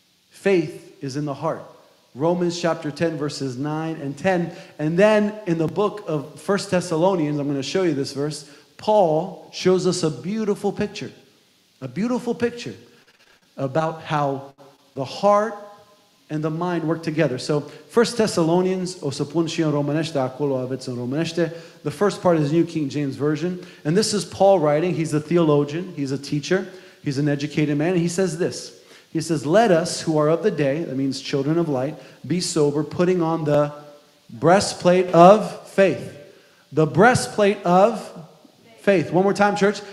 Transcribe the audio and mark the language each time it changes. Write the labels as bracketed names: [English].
[English] Faith is in the heart. Romans chapter 10, verses 9 and 10. And then in the book of 1 Thessalonians, I'm going to show you this verse, Paul shows us a beautiful picture about how the heart and the mind work together. So, [Romanian] 1 Thessalonians, o să pun și în românește, acolo aveți în românește. [English] The first part is New King James Version. And this is Paul writing. He's a theologian. He's a teacher. He's an educated man. And he says this. He says, let us who are of the day, that means children of light, be sober, putting on the breastplate of faith. The breastplate of faith. One more time, church.